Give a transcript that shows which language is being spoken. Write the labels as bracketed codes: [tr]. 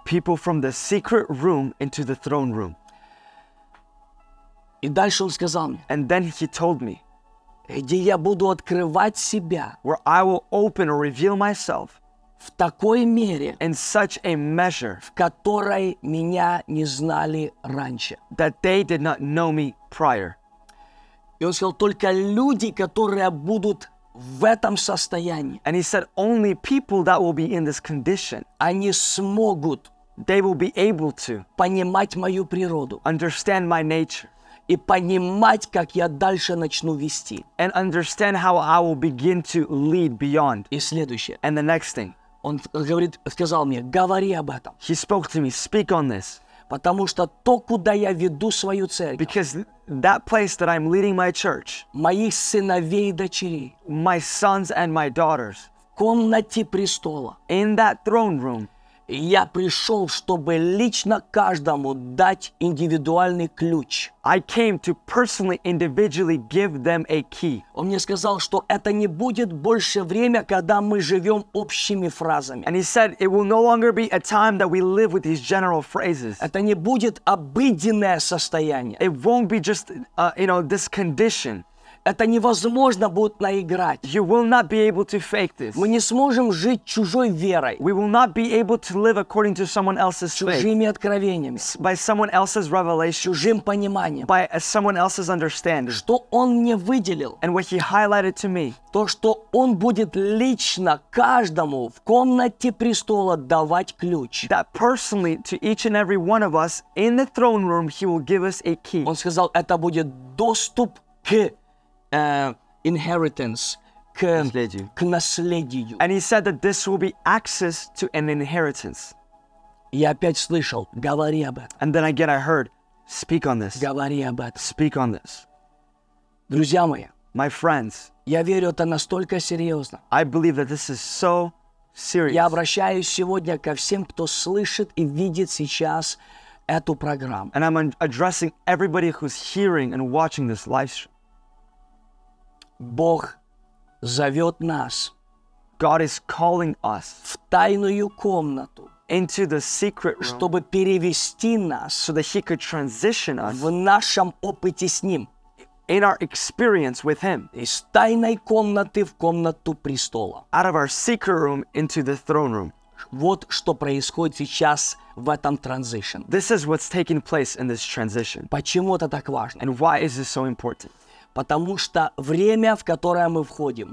[en] People from the secret room into the throne room. [ru] И дальше он сказал мне. [en] And then he told me. [ru] Где я буду открывать себя. [en] Where I will open or reveal myself. [ru] В в такой мере, [en] in such a measure, [ru] в которой меня не знали раньше, [en] that they did not know me prior. [ru] И он сказал, только люди, которые будут в этом состоянии, [en] and he said, only people that will be in this condition, [ru] они смогут, [en] they will be able to, [ru] понимать мою природу, [en] understand my nature, [ru] и понимать, как я дальше начну вести. [en] And understand how I will begin to lead beyond. [ru] И следующее. [en] And the next thing. [ru] Он говорит, сказал мне, говори об этом. [en] He spoke to me, speak on this. [ru] Потому что то, куда я веду свою церковь. [en] Because that place that I'm leading my church. [ru] Моих сыновей и дочерей. [en] My sons and my daughters. [ru] В комнате престола. [en] In that throne room. [ru] Я пришел, чтобы лично каждому дать индивидуальный ключ. [en] I came to personally, individually give them a key. [ru] Он мне сказал, что это не будет больше время, когда мы живем общими фразами. [en] And he said, it will no longer be a time that we live with these general phrases. [ru] Это не будет обыденное состояние. [en] It won't be just, this condition. [ru] Это невозможно будет наиграть. [en] You will not be able to fake this. [ru] Мы не сможем жить чужой верой. [en] We will not be able to live according to someone else's faith. [ru] Чужими откровениями. [en] By someone else's revelation. [ru] Чужим пониманием. [en] By someone else's understanding. [ru] Что он мне выделил? [en] And what he highlighted to me. [ru] То, что он будет лично каждому в комнате престола давать ключ. [en] That personally to each and every one of us in the throne room he will give us a key. [ru] Он сказал, это будет доступ к inheritance, к наследию. К наследию. [en] And he said that this will be access to an inheritance. [ru] Я опять слышал, говори об этом. [en] And then again I heard, speak on this. [ru] Говори об этом. [en] Speak on this. [ru] Друзья мои, [en] my friends, [ru] я верю, это настолько серьезно. [en] I believe that this is so serious. [ru] Я обращаюсь сегодня ко всем, кто слышит и видит сейчас эту программу. [en] And I'm addressing everybody who's hearing and watching this live stream. [ru] Бог зовет нас, [en] God is calling us, [ru] в тайную комнату, [en] into the secret room, [ru] чтобы перевести нас, [en] so that he could transition us, [ru] в нашем опыте с ним, [en] in our experience with him, [ru] из тайной комнаты в комнату престола, [en] out of our secret room into the throne room. [ru] Вот что происходит сейчас в этом transition. [en] This is what's taking place in this transition. [ru] Почему это так важно? [en] And why is this so important? [ru] Потому что время, в которое мы входим,